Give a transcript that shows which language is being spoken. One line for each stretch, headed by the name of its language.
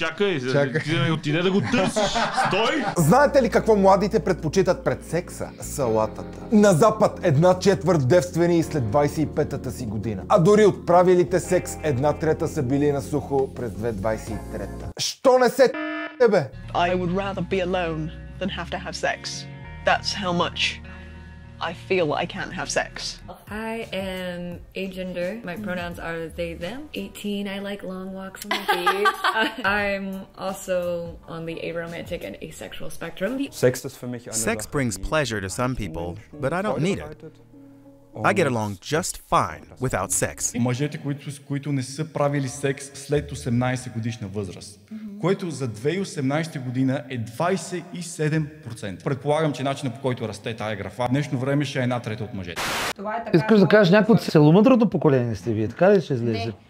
Bulgarian: Чакай, отиде да го търсиш. Стой! Знаете ли какво младите предпочитат пред секса? Салатата. На запад една четвърт девствени и след 25-та си година. А дори от правилите секс една трета са били на сухо през 2023-та. Що не се т***е, бе?
English: I would rather be alone than have to have sex. That's how much I feel I can't have sex. I am agender. My pronouns are they, them. 18, I like long walks on the beach. I'm also on the aromantic and asexual spectrum. Sex brings pleasure to some people, but I don't need it. I get along just fine without sex.
Bulgarian: Мъжете, които не са правили секс след 18 годишна възраст, което за 2018 година е 27%. Предполагам, че начинът по който расте тая графа, в днешно време ще е една трета от мъжете. Искаш да кажеш някакво целомъдрото поколение сте вие, така ли ще излезе?